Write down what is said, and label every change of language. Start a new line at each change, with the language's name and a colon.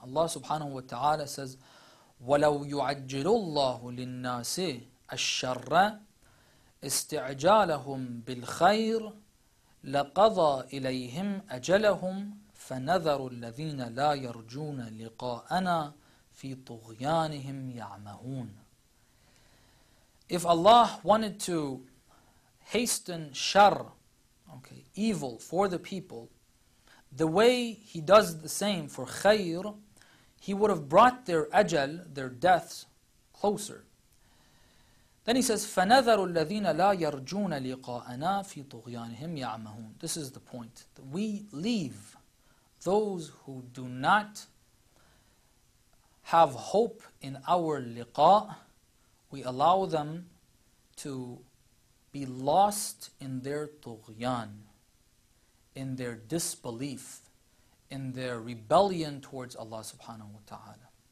English: Allah subhanahu wa ta'ala says,
Arabic: وَلَوْ يُعَجِّلُ اللَّهُ لِلنَّاسِ الشَّرَّ استعجالهم بالخير لقضى إليهم أجلهم فنذر الذين لا يرجون لقاءنا في طغيانهم يعمهون.
English: If Allah wanted to hasten shar, okay, evil for the people, the way He does the same for khair, He would have brought their ajal, their deaths, closer. Then he says,
Arabic: فَنَذَرُ الَّذِينَ لَا يَرْجُونَ لِقَاءَنَا فِي طُغْيَانِهِمْ يَعْمَهُونَ.
English: This is the point. We leave those who do not have hope in our liqa. We allow them to be lost in their طُغْيَان, in their disbelief, in their rebellion towards Allah subhanahu wa ta'ala.